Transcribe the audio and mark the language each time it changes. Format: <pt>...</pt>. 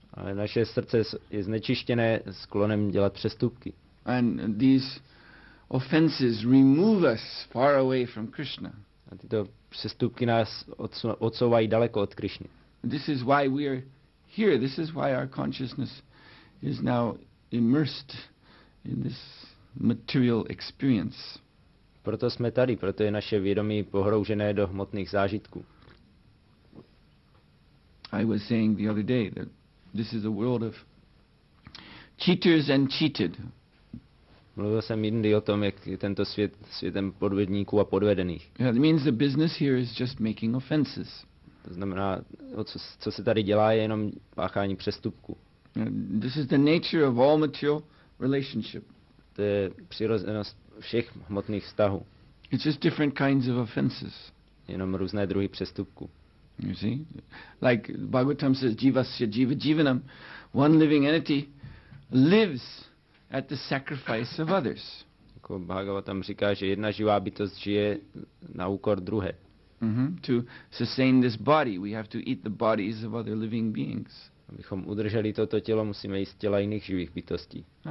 <cs>Ale naše srdce je znečištěné sklonem dělat přestupky.</cs> <en>And these offenses remove us far away from Krishna.</en> <cs>A tyto přestupky nás odsouvají daleko od Krišny.</cs> <en>This is why we are here. This is why our consciousness is now immersed in this material experience.</en> <cs>Proto jsme tady, proto je naše vědomí pohroužené do hmotných zážitků.</cs> <en>I was saying the other day that this is a world of cheaters and cheated.</en> <cs>Mluvil jsem jindy o tom, jak je tento svět světem podvodníků a podvedených.</cs> <en>Yeah, it means the business here is just making offenses.</en> <cs>To znamená, co se tady dělá, je jenom páchání přestupku.</cs> <en>Yeah, this is the nature of all material relationship.</en> <cs>To je přirozenost všech hmotných vztahů.</cs> <en>It's just different kinds of offenses.</en> <cs>Jenom různé druhy přestupku.</cs> <en>You see? Like Bhagavatam says,</en> <sa>jivasya jiva jivanam,</sa> <en>one living entity lives at the sacrifice of others.</en> <cs>Jako Bhagavatam říká, že jedna živá bytost žije na úkor druhé.</cs> <en>To sustain this body, we have to eat the bodies of other living beings.</en> <cs>Abychom udrželi toto tělo, musíme jíst těla jiných živých bytostí.</cs>